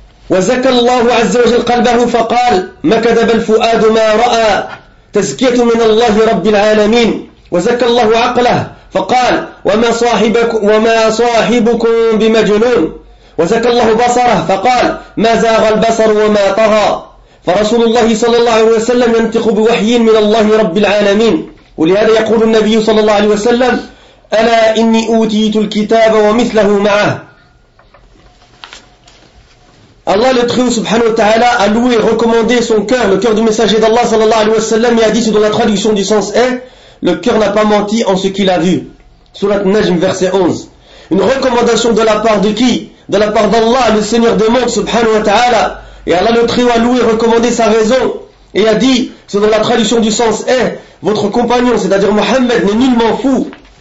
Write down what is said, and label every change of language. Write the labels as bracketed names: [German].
[Arabic] Wa zakka Allahu 'azza wa jalla qalbahu fa qala ma kadaba al-fu'adu ma ra'a tazkiyatu min Allahi rabbil 'alamin wa zakka Allahu 'aqlahu فقال وما صاحبكم بمجنون وزكى الله بصره فقال ما زاغ البصر وما طغى. فرسول الله صلى الله عليه وسلم ينطق بوحي من الله رب العالمين. ولهذا يقول النبي صلى الله عليه وسلم ألا إني أوتيت الكتاب ومثله معه. [French] Allah le très haut subhanahu wa ta'ala a loué et recommandé son cœur, le cœur du messager d'Allah sallallahu alayhi wa sallam, et a dit, dans la traduction du sens est, le cœur n'a pas menti en ce qu'il a vu. Surat Najm verset 11. Une recommandation de la part de qui? De la part d'Allah, le Seigneur des mondes subhanahu wa ta'ala. Et Allah le très haut a loué et recommandé sa raison et a dit, dans la traduction du sens est, votre compagnon, c'est-à-dire Mohammed, n'est nullement fou.